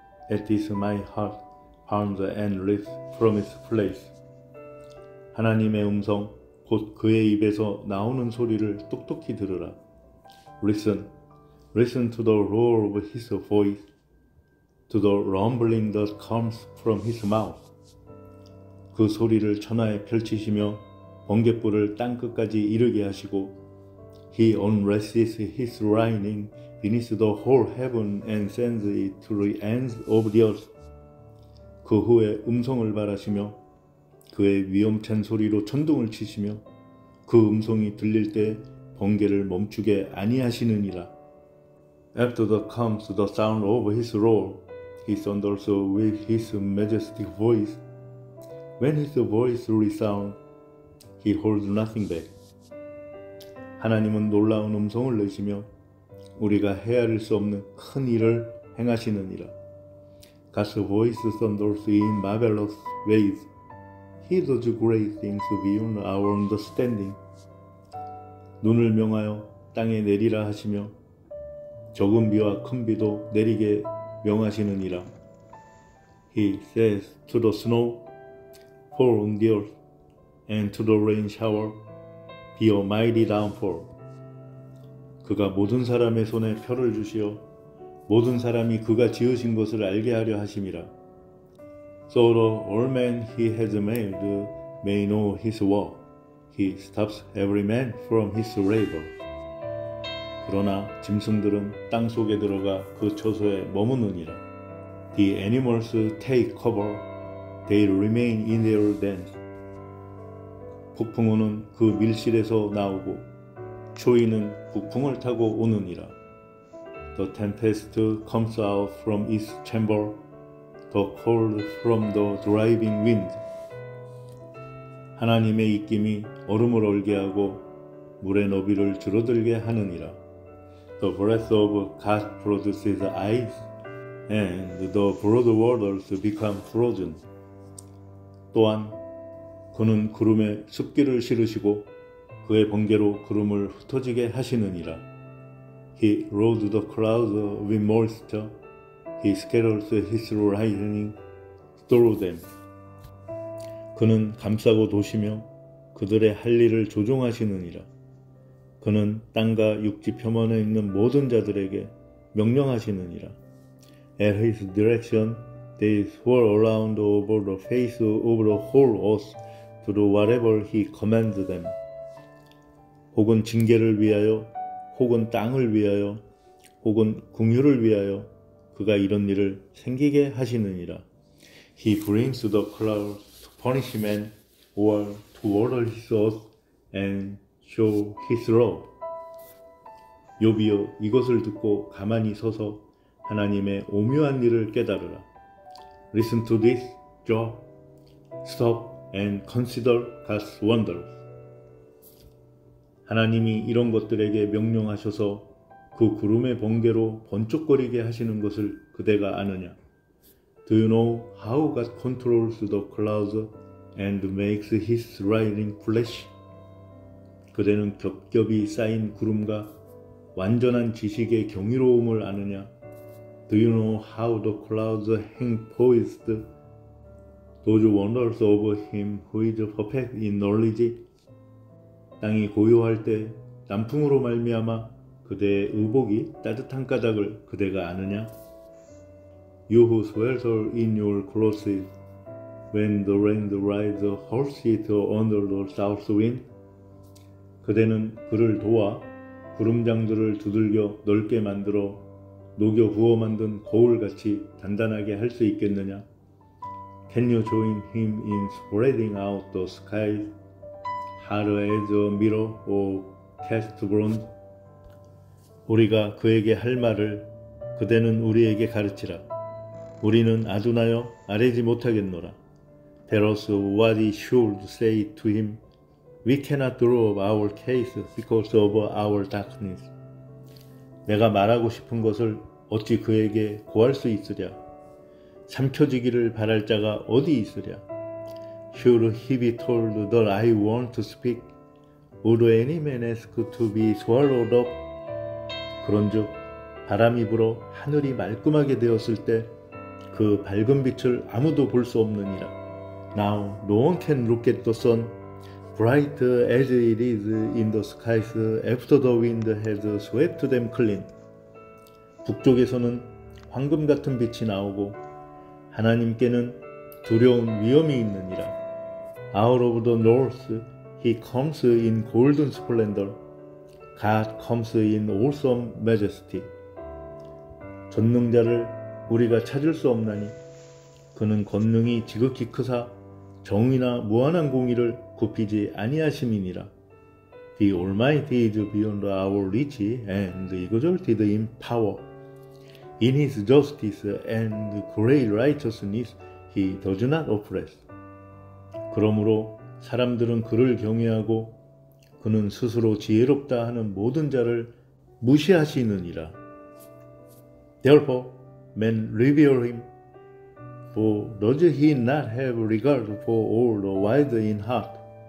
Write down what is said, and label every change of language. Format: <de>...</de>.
<en>At this my heart pounds and leaps from its place.</en> <ko>하나님의 음성 곧 그의 입에서 나오는 소리를 똑똑히 들으라.</ko> <en>Listen, listen to the roar of his voice, to the rumbling that comes from his mouth.</en> <ko>그 소리를 천하에 펼치시며 번갯불을 땅끝까지 이르게 하시고</ko> <en>He unrests his lightning beneath the whole heaven and sends it to the ends of the earth.</en> <ko>그 후에 음성을 발하시며 그의 위엄찬 소리로 천둥을 치시며 그 음성이 들릴 때 번개를 멈추게 아니하시느니라.</ko> <en>After that comes the sound of his roar, he thunders with his majestic voice. When his voice resounds, he holds nothing back.</en> <ko>하나님은 놀라운 음성을 내시며 우리가 헤아릴 수 없는 큰 일을 행하시느니라.</ko> <en>God's voice thunders in marvelous ways. He does great things beyond our understanding.</en> <ko>눈을 명하여 땅에 내리라 하시며 적은 비와 큰 비도 내리게 명하시느니라.</ko> <en>He says to the snow, Fall on the earth, and to the rain shower, be a mighty downpour.</en> <ko>그가 모든 사람의 손에 표를 주시어 모든 사람이 그가 지으신 것을 알게 하려 하심이라.</ko> <en>So the all men he has made may know his work. He stops every man from his labor.</en> <ko>그러나 짐승들은 땅 속에 들어가 그 처소에 머무느니라.</ko> <en>The animals take cover. They remain in their dens.</en> <ko>폭풍우는 그 밀실에서 나오고 초인은 북풍을 타고 오느니라.</ko> <en>The tempest comes out from its chamber, the cold from the driving wind.</en> <ko>하나님의 입김이 얼음을 얼게 하고 물의 너비를 줄어들게 하느니라.</ko> <en>The breath of God produces ice, and the broad waters become frozen.</en> <ko>또한 그는 구름에 숲길을 실으시고 그의 번개로 구름을 흩어지게 하시느니라.</ko> <en>He rolls the clouds with moisture. He scatters his lightning through them.</en> <ko>그는 감싸고 도시며 그들의 할 일을 조종하시느니라. 그는 땅과 육지 표면에 있는 모든 자들에게 명령하시느니라.</ko> <en>At his direction, they swirl around over the face of the whole earth to do whatever he commands them.</en> <ko>혹은 징계를 위하여, 혹은 땅을 위하여, 혹은 긍휼을 위하여 그가 이런 일을 생기게 하시느니라.</ko> <en>He brings the clouds to punish men or to water his earth and show his love.</en> <ko>욥이여, 이것을 듣고 가만히 서서 하나님의 오묘한 일을 깨달으라.</ko> <en>Listen to this, Job. Stop and consider God's wonders.</en> <ko>하나님이 이런 것들에게 명령하셔서 그 구름의 번개로 번쩍거리게 하시는 것을 그대가 아느냐?</ko> <en>Do you know how God controls the clouds and makes his lightning flash?</en> <ko>그대는 겹겹이 쌓인 구름과 완전한 지식의 경이로움을 아느냐?</ko> <en>Do you know how the clouds hang poised? Those wonders of him who is perfect in knowledge.</en> <ko>땅이 고요할 때 남풍으로 말미암아 그대의 의복이 따뜻한 까닭을 그대가 아느냐?</ko> <en>You who swelter in your clothes when the rain rides hoarse under the south wind.</en> <ko>그대는 그를 도와 구름장들을 두들겨 넓게 만들어 녹여 부어 만든 거울같이 단단하게 할수 있겠느냐?</ko> <en>Can you join him in spreading out the skies, hard as a mirror or cast bronze?</en> <ko>우리가 그에게 할 말을 그대는 우리에게 가르치라. 우리는 아둔하여 아뢰지 못하겠노라.</ko> <en>Tell us what he should say to him. We cannot draw up our case because of our darkness.</en> <ko>내가 말하고 싶은 것을 어찌 그에게 고할 수 있으랴? 삼켜지기를 바랄 자가 어디 있으랴?</ko> <en>Should he be told that I want to speak? Would any man ask to be swallowed up?</en> <ko>그런즉 바람이 불어 하늘이 말끔하게 되었을 때 그 밝은 빛을 아무도 볼 수 없느니라.</ko> <en>Now no one can look at the sun, bright as it is in the skies after the wind has swept them clean.</en> <ko>북쪽에서는 황금 같은 빛이 나오고 하나님께는 두려운 위엄이 있느니라.</ko> <en>Out of the north he comes in golden splendor. God comes in awesome majesty.</en> <ko>전능자를 우리가 찾을 수 없나니 그는 권능이 지극히 크사 정의나 무한한 공의를 굽히지 아니하심이니라.</ko> <en>The Almighty is beyond our reach and exalted in power. In his justice and great righteousness he does not oppress.</en> <ko>그러므로 사람들은 그를 경외하고 그는 스스로 지혜롭다 하는 모든 자를 무시하시느니라.</ko> <en>Therefore, men revere him, for does he not have regard for all the wise in heart?</en>